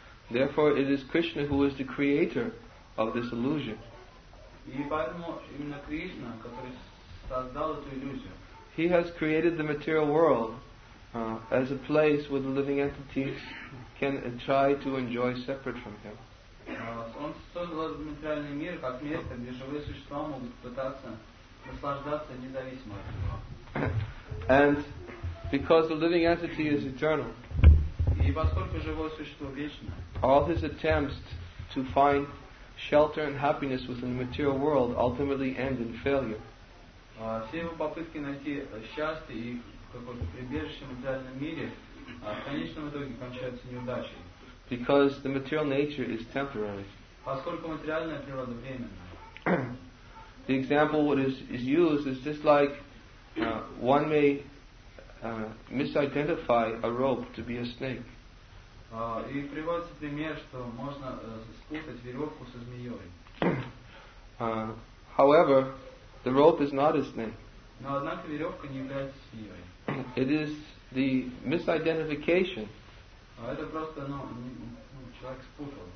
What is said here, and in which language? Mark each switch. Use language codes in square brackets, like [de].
[en] Therefore, it is Krishna who is the creator of this illusion. [ru] И поэтому именно Кришна, который создал эту иллюзию. [en] He has created the material world as a place where the living entities can try to enjoy separate from him. [ru] Он создал материальный мир как место, где живые существа могут пытаться наслаждаться независимо от него. [en] And because the living entity is eternal, [ru] и поскольку живое существо вечно, [en] all his attempts to find shelter and happiness within the material world ultimately end in failure. [ru] Все его попытки найти счастье и какое-то прибежище в материальном мире в конечном итоге кончаются неудачей. [en] Because the material nature is temporary. [ru] Поскольку материальная природа временная. [en] The example what is used is just like one may misidentify a rope to be a snake. [ru] И приводится пример, что можно спутать веревку со змеей. [en] However, the rope is not a snake. [ru] Но однако веревка не является змеей. [en] It is the misidentification. [ru] Это просто, ну, человек спутал.